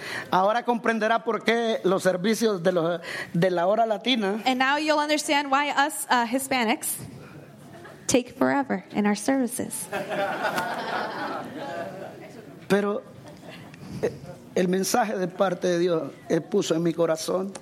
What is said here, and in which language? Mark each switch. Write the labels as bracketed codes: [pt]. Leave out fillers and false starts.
[es] Ahora comprenderá por qué los servicios de la hora latina. [en] And now you'll understand why us Hispanics take forever in our services. [es] Pero el mensaje de parte de Dios puso en mi corazón.